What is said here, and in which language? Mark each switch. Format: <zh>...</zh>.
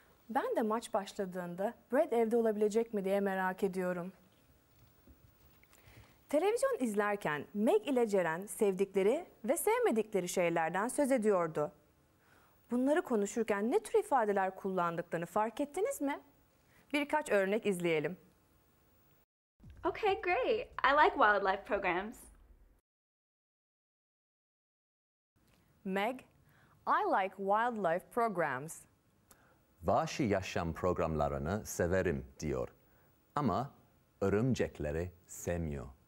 <tr>Ben de maç başladığında Brad evde olabilecek mi diye merak ediyorum. Televizyon izlerken Meg ile Ceren sevdikleri ve sevmedikleri şeylerden söz ediyordu. Bunları konuşurken ne tür ifadeler kullandıklarını fark ettiniz mi? Birkaç örnek izleyelim.</tr> <en>Okay, great. I like wildlife programs. Meg, I like wildlife programs.</en> <tr>Vahşi yaşam programlarını severim diyor. Ama örümcekleri sevmiyor.</tr>